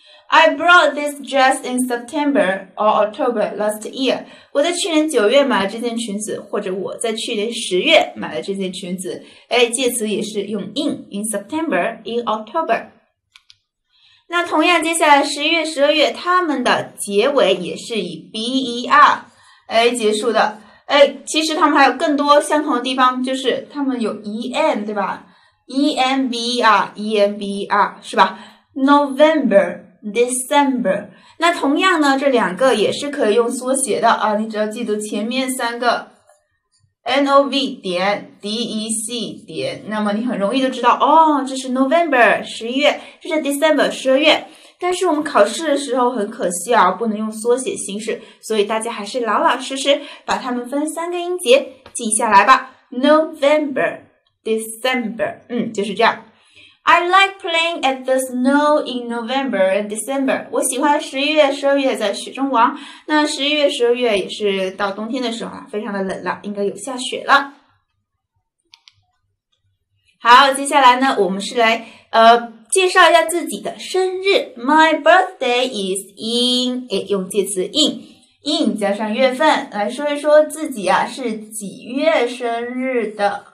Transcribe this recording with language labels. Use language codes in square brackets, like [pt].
[en] I brought this dress in September or October last year. [zh] 我在去年九月买了这件裙子，或者我在去年十月买了这件裙子。哎，介词也是用 [en] in September, in October. [zh] 那同样，接下来十一月、十二月，他们的结尾也是以 ber 哎结束的。哎，其实他们还有更多相同的地方，就是他们有 em 对吧 ？Ember 是吧 ？November。 December， 那同样呢，这两个也是可以用缩写的啊，你只要记住前面三个 NOV.DEC. 那么你很容易就知道哦，这是 November 十一月，这是 December 十二月。但是我们考试的时候很可惜啊，不能用缩写形式，所以大家还是老老实实把它们分三个音节记下来吧。 November December， 就是这样。 [en] I like playing at the snow in November and December. [zh] 我喜欢十一月、十二月在雪中玩。那十一月、十二月也是到冬天的时候了，非常的冷了，应该有下雪了。好，接下来呢，我们是来介绍一下自己的生日。 [en] My birthday is in， [zh] 哎，用介词 in 加上月份，来说一说自己啊是几月生日的。